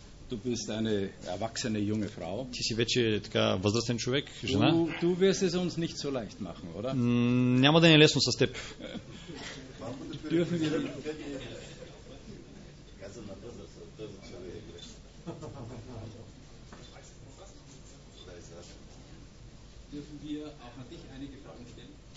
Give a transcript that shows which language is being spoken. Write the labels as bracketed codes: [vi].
[de] Du bist eine erwachsene junge Frau. [bg] Ти си вече така възрастен човек, жена. [de] Du wirst es uns nicht so leicht machen, oder? [bg] Няма да ни е лесно с теб. [de] Dürfen wir nicht. [bg] Каза на възраст, тази човек е грешен. [de] Dürfen wir auch an dich einige Fragen stellen?